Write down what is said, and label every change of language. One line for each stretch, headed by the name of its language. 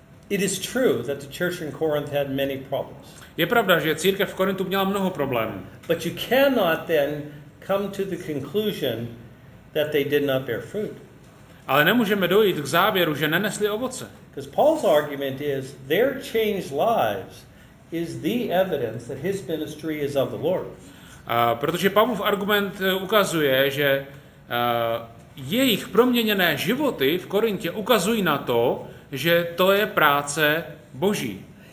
English: It is true that the church in Corinth had many problems.
Czech: Je pravda, že církev v Korintu měla mnoho problémů.
English: But you cannot then come to the conclusion that they did not bear fruit.
Czech: Ale nemůžeme dojít k závěru, že nenesli ovoce.
English: Because Paul's argument is their changed lives is the evidence that his ministry is of the Lord.
Czech: Protože Pavlův argument ukazuje, že jejich proměněné životy v Korintě ukazují na to, že to je práce Boží.